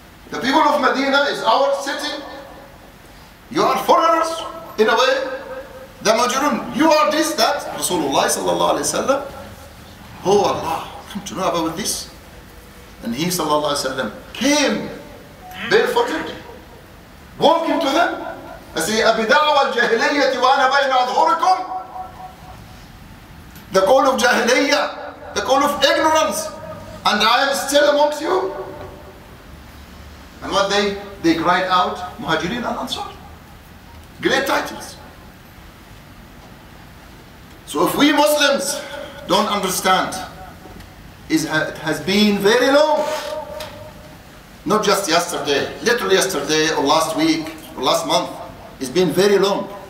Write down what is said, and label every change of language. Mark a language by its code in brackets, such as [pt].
[en] The people of Medina is our city. You are foreigners, in a way. The Muhajirun, you are this, that. Rasulullah sallallahu alayhi wa sallam, oh Allah, come to know about this. And he sallallahu alayhi wa sallam came barefooted, walking to them. I say, [ar] أَبِدَعْوَ الْجَهِلَيَّةِ وَأَنَا بَيْنَ أَظْهُرِكُمْ. [en] The call of jahiliyyah, the call of ignorance, and I am still amongst you. And what they cried out, Muhajirin and Ansar. Great titles. So if we Muslims don't understand, it has been very long, not just yesterday, literally yesterday or last week or last month, it's been very long.